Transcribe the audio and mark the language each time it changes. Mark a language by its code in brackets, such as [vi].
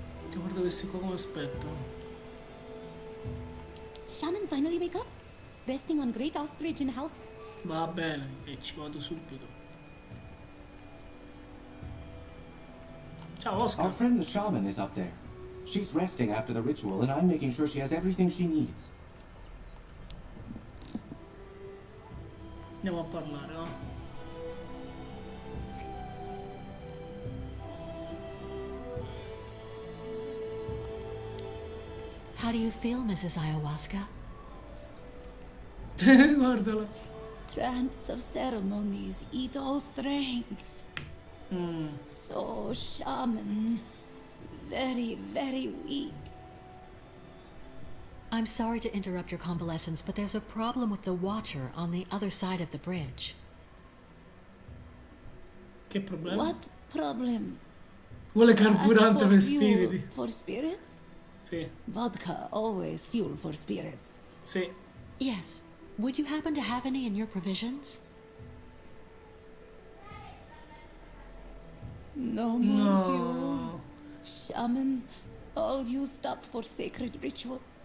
[it] Ti guardo questi qua come aspetto. [en] Shaman finally wake up? Resting on great ostrich in house? [it] Va bene, e ci vado subito. Ciao Oscar. [en] Our friend the shaman is up there. She's resting after the ritual and I'm making sure she has everything she needs. [it] Andiamo a parlare, no? [en] How do you feel, Mrs. Ayahuasca? [it] Guardala. [en] Trance of ceremonies eat all strength. So shaman, very, very weak. I'm sorry to interrupt your convalescence, but there's a problem with the watcher on the other side of the bridge. [it] Che problema? [en] What problem? [it] Vuole carburante per spiriti. [en] For spirits? [it] Sì. [en] Vodka, always fuel for spirits. [it] Sì. [en] Yes. Would you happen to have any in your provisions? No more fuel. Shaman, all used up for sacred ritual.